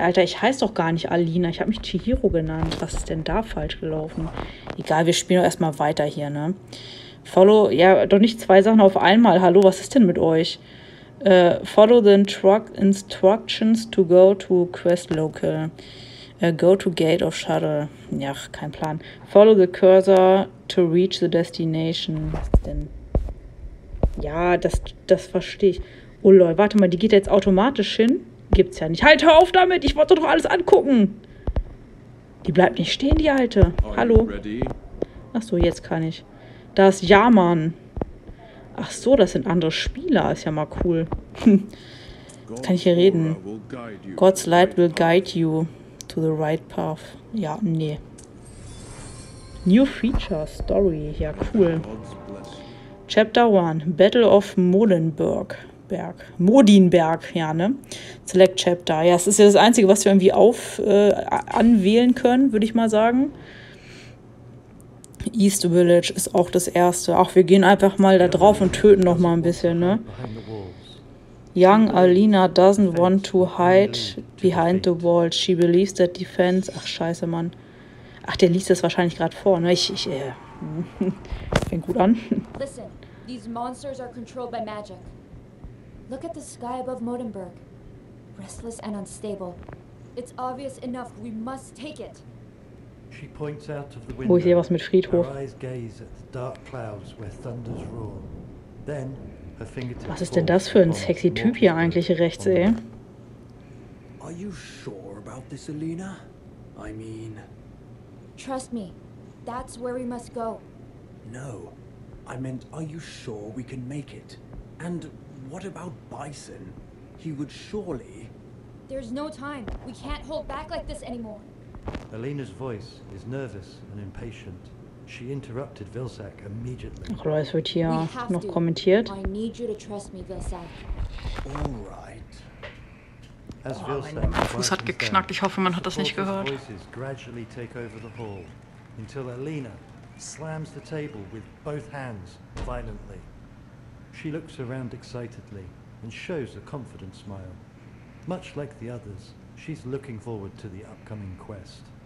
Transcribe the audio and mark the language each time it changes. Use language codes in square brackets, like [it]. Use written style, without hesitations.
[de] Alter, ich heiße doch gar nicht Alina. Ich habe mich Chihiro genannt. Was ist denn da falsch gelaufen? Egal, wir spielen doch erstmal weiter hier, ne? Follow, ja, doch nicht zwei Sachen auf einmal. Hallo, was ist denn mit euch? [en] Follow the instructions to go to quest local. Go to Gate of Shuttle. [de] Ja, kein Plan. [en] Follow the cursor to reach the destination. [de] Was ist denn? Ja, das verstehe ich. Oh lol, warte mal, die geht jetzt automatisch hin? Gibt's ja nicht. Halt, hör auf damit! Ich wollte doch alles angucken! Die bleibt nicht stehen, die Alte. Hallo. Ach so, jetzt kann ich. Da ist Yaman. Ach so, das sind andere Spieler. Ist ja mal cool. Jetzt kann ich hier reden. [en] God's light will guide you to the right path. [de] Ja, nee. [en] New Feature Story. [de] Ja, cool. [en] Chapter 1. Battle of Modenberg. Berg. Modinberg, [de] ja, ne? [en] Select Chapter. [de] Ja, es ist ja das Einzige, was wir irgendwie anwählen können, würde ich mal sagen. East Village ist auch das Erste. Ach, wir gehen einfach mal da drauf und töten noch mal ein bisschen, ne? [en] Young Alina doesn't want to hide behind the wall. She believes that defense... [de] Ach, scheiße, Mann. Ach, der liest das wahrscheinlich gerade vor, ne? Fängt gut an. [en] Listen, these monsters are controlled by magic. Look at the sky above Modenberg. Restless and unstable. It's obvious enough, we must take it. She points out of the window. [de] Oh, ich sehe was mit Friedhof. [en] Her eyes gaze at the dark clouds where thunders roar. Then her fingertips. [de] Was ist denn das für ein sexy Typ hier eigentlich rechts, ey? [en] Are you sure about this, Alina? I mean. Trust me. That's where we must go. No. I meant, are you sure we can make it? And what about Bison? He would surely. There's no time. We can't hold back like this anymore. Alina's voice is nervous and impatient. She interrupted Vilsack immediately. [de] Ach, Reus wird hier noch kommentiert. [en] I need you to trust me, Vilsack. All right. As Vilsack, [de] mein Fuß hat geknackt. Ich hoffe, man hat das nicht gehört. [en] The voices gradually take over the hall until Alina slams the table with both hands violently. She looks around excitedly and shows a confident smile. Much like the others, she's looking forward to the upcoming quest.